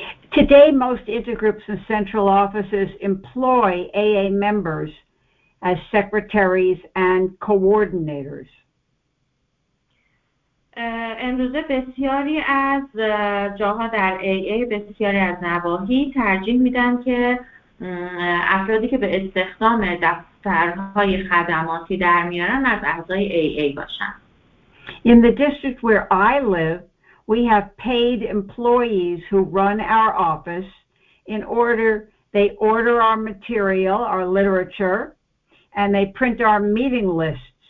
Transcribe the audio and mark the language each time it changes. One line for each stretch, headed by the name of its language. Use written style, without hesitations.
English: Today most intergroups and central offices employ AA members as secretaries and coordinators.
Persian: امروزه بسیاری از جاها در AA بسیاری از نواحی ترجیح میدن که افرادی که به استخدام دفترهای خدماتی در میارن از اعضای AA باشن.
English: In the district where I live, we have paid employees who run our office in order they order our material, our literature, and they print our meeting lists.